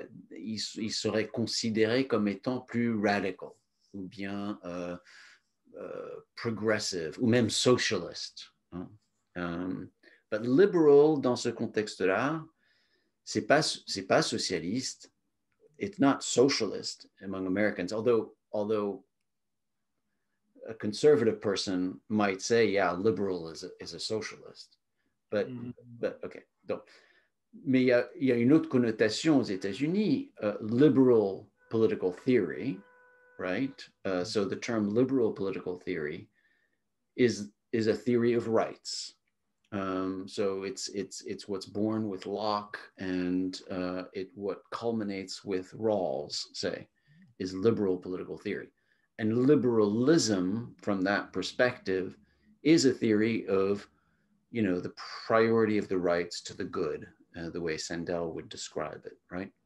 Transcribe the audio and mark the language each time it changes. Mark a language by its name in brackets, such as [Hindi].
[French] Ils seraient considérés comme étant plus radical ou bien progressive ou même socialiste. [English] But liberal, [French] dans ce contexte-là, c'est pas socialiste. [English] It's not socialist among Americans, although a conservative person might say, yeah, liberal is a socialist. But, mm-hmm. but okay. [French] Donc, mais il y a une autre connotation aux États-Unis, [English] liberal political theory, right? So the term liberal political theory is a theory of rights. So it's what's born with Locke and it what culminates with Rawls, say, is liberal political theory. And liberalism, from that perspective, is a theory of, you know, the priority of the rights to the good, the way Sandel would describe it, right?